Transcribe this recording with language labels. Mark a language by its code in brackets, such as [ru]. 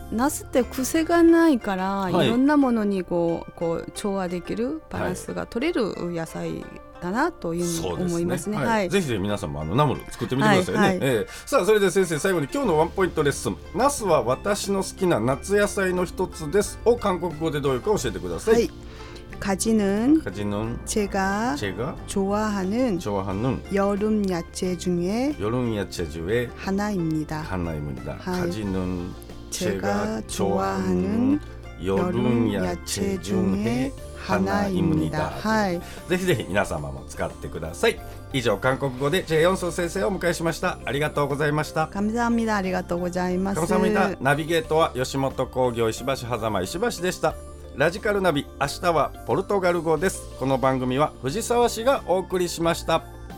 [ja] ナスって癖がないから、はい、いろんなものにこう調和できるバランスが取れる野菜だなというふうに思いますね、はい、ぜひぜひ皆さんもナムル作ってみてくださいね、はいはい、さあそれで先生、最後に今日のワンポイントレッスン、ナスは私の好きな夏野菜の一つですを韓国語でどういうか教えてください。はい。 [ko] 가지는, 가지는 제가좋아하는여름야채중에하나입니다, 하이가지는 제가좋아하는여름야채중에하나입니다, 하 [ja] 이ぜひぜひ皆様も使ってください。以上、韓国語でチェ・ヨンソン先生をお迎えしました。ありがとうございました。 [ko] 감사합니다。 [ja] ありがとうございます。 [ko] 감사합니다。 [ja] ナビゲートは吉本興業石橋狭間石橋でした。ラジカルナビ、明日はポルトガル語です。この番組は藤沢氏がお送りしました。